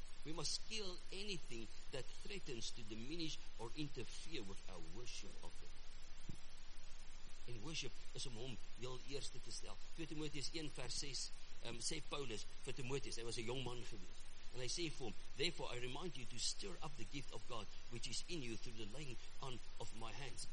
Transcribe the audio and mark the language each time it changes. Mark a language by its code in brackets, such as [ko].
[en] We must kill anything that threatens to diminish or interfere with our worship of Him. [af] en worship is om hom heel eerste te stel. 2 Timotheus 1 vers 6 sê Paulus vir Timotheus, hy was 'n jong man gewees, en hy sê vir hom, [en] therefore I remind you to stir up the gift of God which is in you through the laying on of my hands.